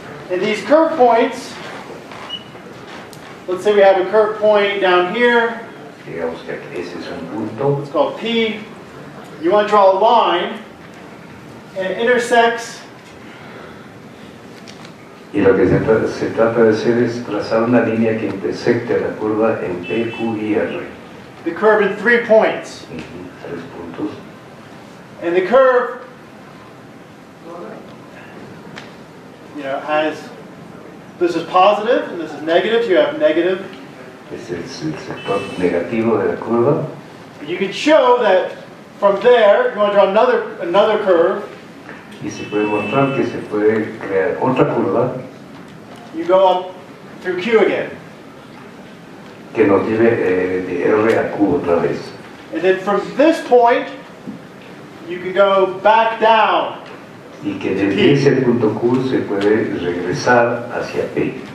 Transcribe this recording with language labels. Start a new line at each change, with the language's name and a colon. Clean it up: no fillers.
English: And these curve points, let's say we have a curve point down here.
Spanish: Digamos que ese es un punto.
English: It's called P. You want to draw a line and it intersects.
Spanish: Y lo que se trata de hacer es trazar una línea que intersecte la curva en P, Q y R.
English: The curve in three points.
Spanish: Uh-huh. Tres puntos.
English: And the curve, you know, has, this is positive and this is negative, so you have negative.
Spanish: Este es el sector negativo de la curva.
English: But you can show that from there, you want to draw another curve.
Spanish: Y se puede mostrar que se puede crear otra curva.
English: You go up through Q again.
Spanish: Que nos lleve de R a Q otra vez.
English: And then from this point, you can go back down.
Spanish: Y que desde ese punto Q se puede regresar hacia P.